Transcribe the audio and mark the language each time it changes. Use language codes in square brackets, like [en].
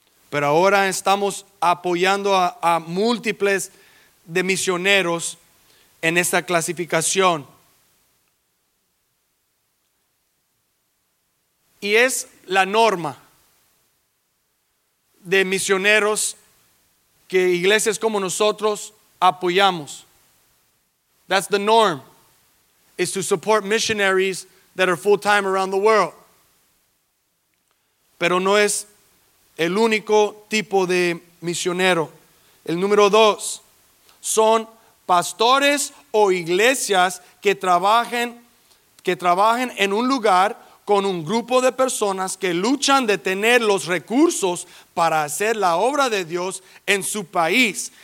[es] Pero ahora estamos apoyando a múltiples de misioneros en esta clasificación. Y es la norma de misioneros que iglesias como nosotros apoyamos. [en] That's the norm, is to support missionaries that are full time around the world. [es] Pero no es el único tipo de misionero. El número dos son pastores o iglesias que trabajen en un lugar con un grupo de personas que luchan de tener los recursos para hacer la obra de Dios en su país.